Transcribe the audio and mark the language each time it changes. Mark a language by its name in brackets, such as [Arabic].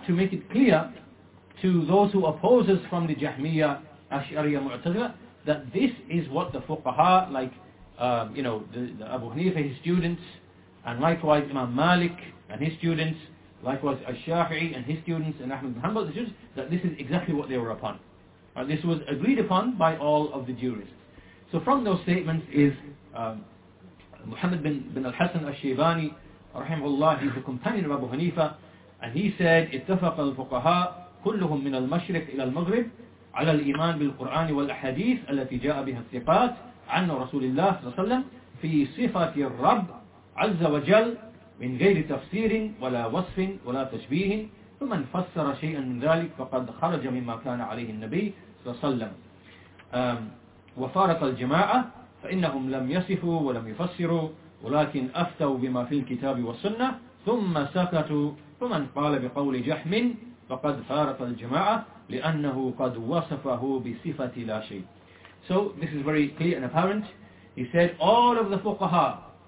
[English] To make it clear to those who oppose us from the Jahmiyyah, Ash'ariyyah, Mu'tazila, that this is what the Fuqaha, like the Abu Hanifa, his students, and likewise Imam Malik and his students, likewise Ash-Shafi'i and his students, and Ahmad bin Hanbal, that this is exactly what they were upon. This was agreed upon by all of the jurists. So from those statements is Muhammad bin al-Hasan al-Shaybani, rahimahullah, he's a companion of Abu Hanifa, and he said, [Arabic] اتفق الفقهاء كلهم من المشرق إلى المغرب على الإيمان بالقرآن والأحاديث التي جاء بها الثقات عن رسول الله صلى الله عليه وسلم في صفة الرب عز وجل من غير تفسير ولا وصف ولا تشبيه فمن فسر شيئا من ذلك فقد خرج مما كان عليه النبي صلى الله عليه وسلم وفارق الجماعة فإنهم لم يصفوا ولم يفسروا ولكن أفتوا بما في الكتاب والسنة ثم سكتوا فمن قال بقول جحم فقد فارق الجماعة لأنه قد وصفه بصفة لا شيء. [English] So this is very clear and apparent. He said all of the fuqaha.